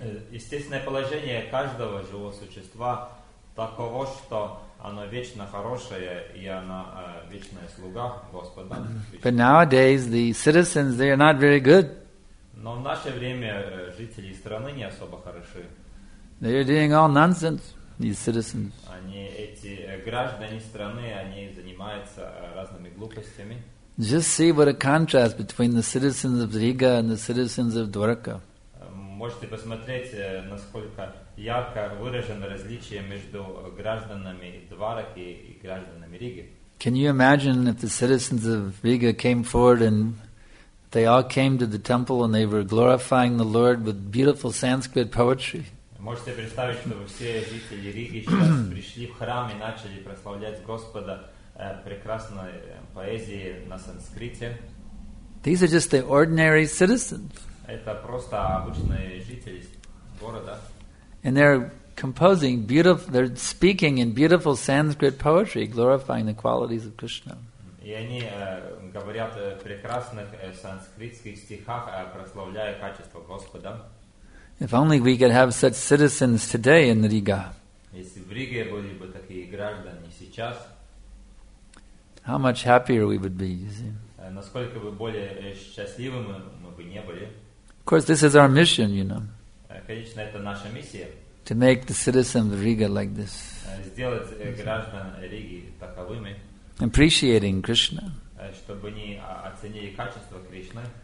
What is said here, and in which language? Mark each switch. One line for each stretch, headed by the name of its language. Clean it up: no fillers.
Russian: Естественное положение каждого живого существа таково, что оно вечно хорошее и оно вечная слуга Господа.
English: But nowadays the citizens, they are not very good.
Russian: Но в наше время жители страны не особо хороши.
English: They are doing all nonsense. These citizens.
Russian: Они эти граждане страны, они занимаются разными глупостями.
English: Just see what a contrast between the citizens of Riga and the citizens of Dwarka.
Russian: Можете посмотреть, насколько ярко выражено различие между гражданами Двараки и гражданами Риги.
English: Can you imagine if the citizens of Riga came forward and they all came to the temple and they were glorifying the Lord with beautiful Sanskrit poetry?
Russian: Можете представить, что все жители Риги сейчас пришли в храм и начали прославлять Господа прекрасной поэзией на санскрите?
English: These are just the ordinary citizens.
Russian: Это просто обычные жители города.
English: And they're composing beautiful, they're speaking in beautiful Sanskrit poetry, glorifying the qualities of Krishna.
Russian: И они говорят в прекрасных санскритских стихах, прославляя качество Господа.
English: If only we could have such citizens today in Riga.
Russian: Если в Риге были бы такие граждане сейчас,
English: how much happier we would be, you see.
Russian: Насколько бы более счастливыми мы бы не были.
English: Of course, this is our mission, you know.
Russian: Конечно, это наша миссия.
English: To make the citizens of Riga like this.
Russian: Сделать граждан Риги таковыми.
English: Appreciating Krishna.
Russian: Чтобы они оценили качество Кришны.